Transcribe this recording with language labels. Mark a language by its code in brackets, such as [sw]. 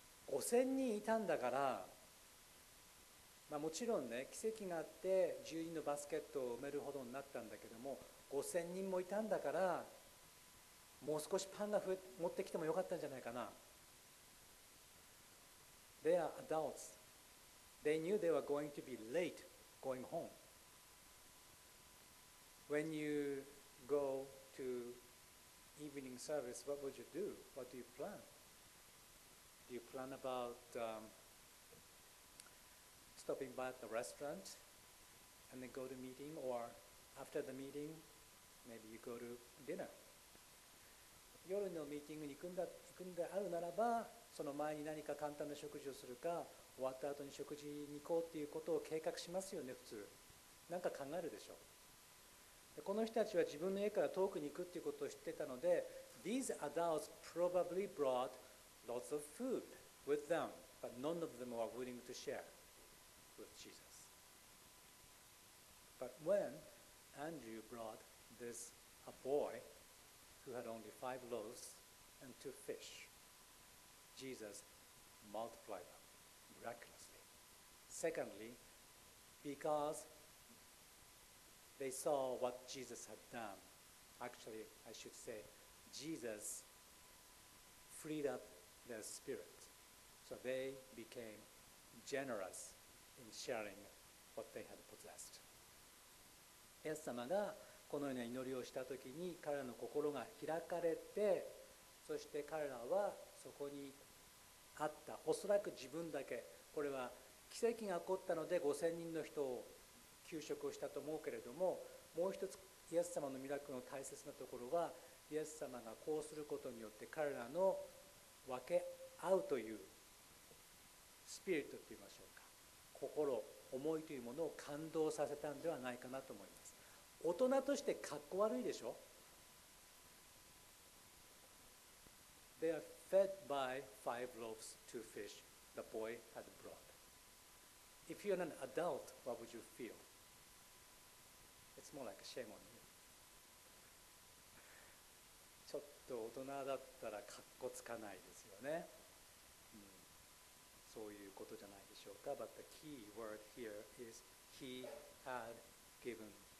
[ja] 5,000 人いたんだから、もちろんね、奇跡があって10人のバスケットを埋めるほどになったんだけども、5,000 人もいたんだから、もう少しパンが持ってきてもよかったんじゃないかな。 [en] They are adults. They knew they were going to be late going home. When you go to evening service, what would you do? What do you plan? Do you plan about stopping by at the restaurant and then go to meeting, or after the meeting, maybe you go to dinner. [ja] 夜のミーティングに行くんだあるならば、その前に何か簡単な食事をするか、終わった後に食事に行こうっていうことを計画しますよね、普通。なんか考えるでしょう。で、この人たちは自分の家から遠くに行くっていうことを知ってたので、 [en] These adults probably brought lots of food with them, but none of them were willing to share with Jesus. But when Andrew brought this a boy,who had only five loaves and two fish, Jesus multiplied them miraculously. Secondly, because they saw what Jesus had done, actually, I should say, Jesus freed up their spirit, so they became generous in sharing what they had possessed. [ja] イエス様がこのような祈りをしたときに彼らの心が開かれて、そして彼らはそこにあった、おそらく自分だけ、これは奇跡が起こったので5000人の人を給食をしたと思うけれども、もう一つイエス様のミラクルの大切なところは、イエス様がこうすることによって彼らの分け合うというスピリットといいましょうか、心思いというものを感動させたのではないかなと思います。大人としてかっこ悪いでしょ。 [en] They are fed by five loaves, two fish the boy had brought. If you're an adult, what would you feel? It's more like a shame on you. [ja] ちょっと大人だったらかっこつかないですよね、そういうことじゃないでしょうか。 [en] But the key word here is he had given.